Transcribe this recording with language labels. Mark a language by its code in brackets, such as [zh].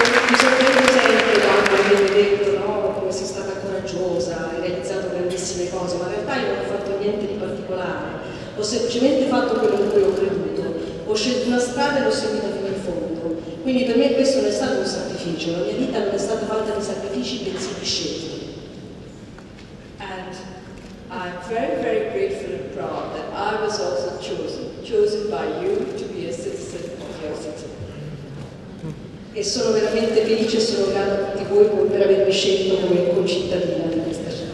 [it] Bisogna dire che la donna che mi ha detto, no, come sei stata coraggiosa, hai realizzato grandissime cose, ma in realtà io non ho fatto niente di particolare. Ho semplicemente fatto quello in cui ho creduto, ho scelto una strada e l'ho seguita fino in fondo. Quindi per me questo non è stato un sacrificio, la mia vita non è stata fatta di sacrifici, bensì di scelte. [en] And I'm very, very grateful and proud that I was also chosen by you to be a citizen of your city. [it] E sono veramente felice e sono grata a tutti voi per avermi scelto come concittadina di questa città.